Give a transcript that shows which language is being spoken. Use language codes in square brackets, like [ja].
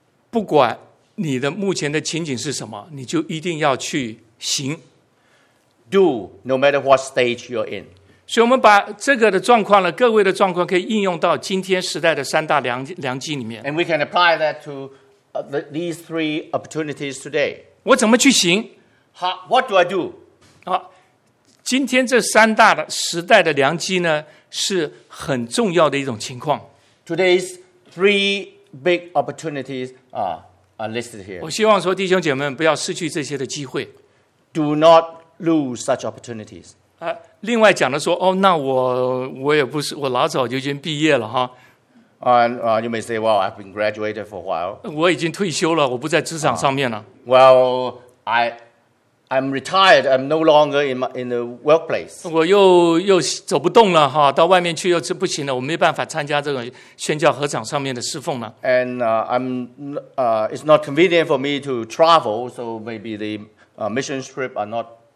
[zh] 不管你的目前的情景是什么，你就一定要去行。 [en] Do no matter what stage you're in. [zh] 所以我们把这个的状况呢，各位的状况可以应用到今天时代的三大良机里面。 [en] And we can apply that to these three opportunities today. [zh] 我怎么去行？ [en] What do I do? [zh] 好，今天这三大的时代的良机呢，是很重要的一种情况。 [en] Today's three big opportunities are listed here. [zh] 我希望说弟兄姐妹不要失去这些的机会。 [en] Do not lose such opportunities. [zh] 另外讲的说，哦，那我也不是，我老早就已经毕业了哈。 [en] You may say, well, I've been graduated for a while. [zh] 我已经退休了，我不在职场上面了。 [en] Well, I'm retired. I'm no longer in the workplace. [zh] 我又走不动了哈，到外面去又不行了，我没办法参加这个宣教合掌上面的侍奉了。 [en] And it's not convenient for me to travel, so maybe the mission trip are not.